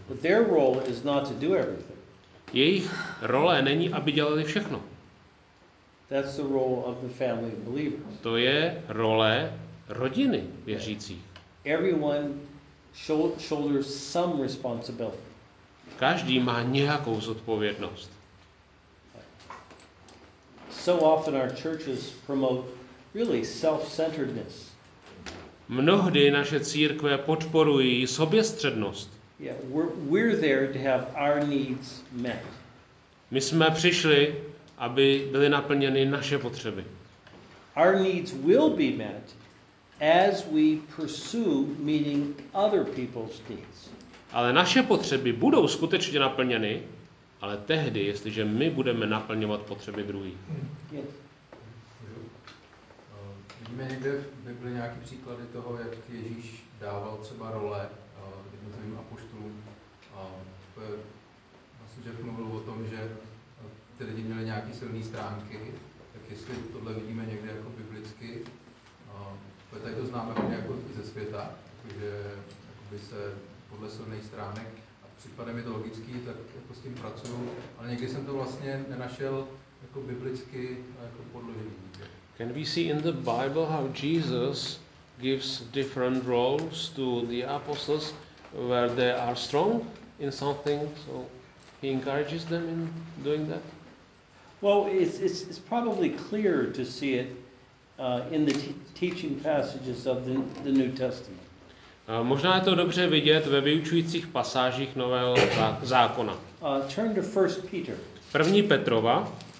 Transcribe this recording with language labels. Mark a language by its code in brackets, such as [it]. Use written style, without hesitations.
[en] But their role is not to do everything. [cs] Jejich role není, aby dělali všechno. [en] That's the role of the family of believers. [cs] To je role rodiny věřících. [en] Everyone shoulders some responsibility. [cs] Každý má nějakou zodpovědnost. [en] So often our churches promote really self-centeredness. [cs] Mnohdy naše církve podporují soběstřednost. [en] Yeah, we're there to have our needs met. [cs] My jsme přišli, aby byly naplněny naše potřeby. [en] Our needs will be met as we pursue meeting other people's needs. [cs] Ale naše potřeby budou skutečně naplněny, ale tehdy, jestliže my budeme naplňovat potřeby druhých. Vidíme někde v Bibli nějaké příklady toho, jak Ježíš dával třeba role jednotlivým apoštolům. Vlastně Jeff mluvil o tom, že ty lidi měli nějaké silné stránky, tak jestli tohle vidíme někde jako biblicky, tady to známe hodně jako ze světa, že se podle silných stránek, a připadá mi to logický, tak jako s tím pracuju, ale někdy jsem to vlastně nenašel jako biblicky jako podložený. [en] Can we see in the Bible how Jesus gives different roles to the apostles where they are strong in something, so he encourages them in doing that? Well, it's probably clear to see it in the teaching passages of the New Testament. [cs] Možná je to dobře vidět ve vyučujících pasážích Nového zákona. [en] Turn to 1 Peter. [cs] 1. Petrova.